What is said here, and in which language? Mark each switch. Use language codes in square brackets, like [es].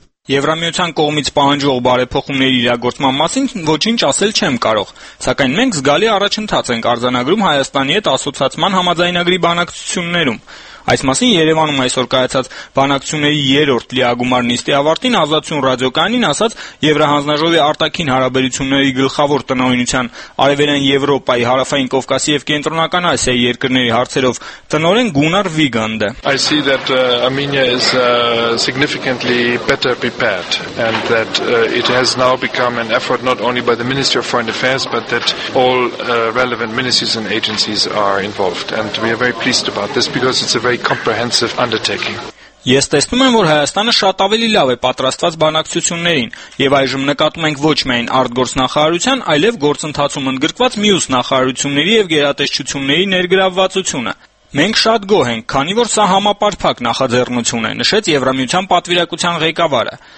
[hy] Եվրամիության կողմից պահանջող բարեփոխումների իրագործման մասին ոչինչ ասել չեմ կարող, սակայն մենք զգալի առաջընթաց ենք արձանագրում Հայաստանի հետ ասոցացման համաձայնագրի բանակցություններում։ Այս մասին Երևանում այսօր կայացած բանակցությունների երրորդ լիագումար նիստի ավարտին Ազատություն ռադիոկայանին ասաց Եվրահանձնաժողովի արտաքին հարաբերությունների գլխավոր տնօրինության Արևելյան Եվրոպայի, Հարավային Կովկասի և Կենտրոնական Ասիայի երկրների հարցերով տնօրեն Գունար Վիգանդը։ [en] I see that Armenia is significantly better prepared and that it has now become an effort not only by the Ministry of Foreign Affairs but that all relevant ministries and agencies are involved and we are very pleased about this because it's a very comprehensive undertaking. [hy] Ես տեսնում եմ, որ Հայաստանը շատ ավելի լավ է պատրաստված բանակցություններին, եւ այժմ նկատում ենք ոչ միայն արտգործնախարարության, այլև գործընթացում ընդգրկված մյուս նախարարությունների եւ գերատեսչությունների ներգրավվածությունը։ Մենք շատ գոհ ենք, քանի որ սա համապարփակ նախաձեռնություն է, նշեց Եվրամիության պատվիրակության ղեկավարը։